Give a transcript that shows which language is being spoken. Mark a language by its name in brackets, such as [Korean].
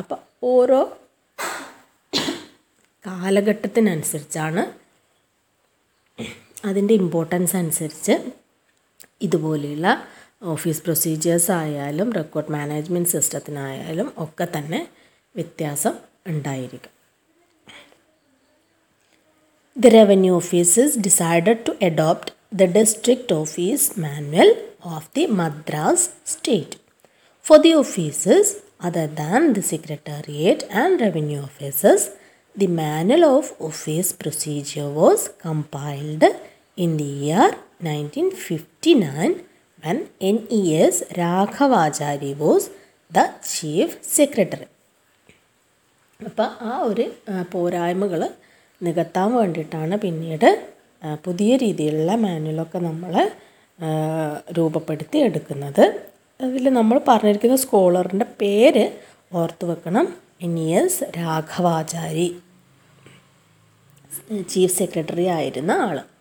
[Malayalam] അപ്പോൾ ഓരോ കാലഘട്ടത്തിനനുസരിച്ചാണ് അതിൻ്റെ ഇമ്പോർട്ടൻസ് അനുസരിച്ച് ഇതുപോലെയുള്ള ഓഫീസ് പ്രൊസീജിയേഴ്സ് ആയാലും റെക്കോർഡ് മാനേജ്മെൻറ്റ് സിസ്റ്റത്തിനായാലും ഒക്കെ തന്നെ വ്യത്യാസം ഉണ്ടായിരിക്കും. [English] The revenue offices decided to adopt the district office manual of the Madras state. For the offices other than the secretariat and revenue offices, the manual of office procedure was compiled in the year 1959 when NES Raghavachari was the chief secretary. [Malayalam] Appa aa ore porayamugal നികത്താൻ വേണ്ടിയിട്ടാണ് പിന്നീട് പുതിയ രീതിയിലുള്ള മാനുവലൊക്കെ നമ്മൾ രൂപപ്പെടുത്തി എടുക്കുന്നത്. അതിൽ നമ്മൾ പറഞ്ഞിരിക്കുന്ന സ്കോളറിൻ്റെ പേര് ഓർത്ത് വെക്കണം, എനിയസ് രാഘവാചാരി ചീഫ് സെക്രട്ടറി ആയിരുന്ന ആൾ.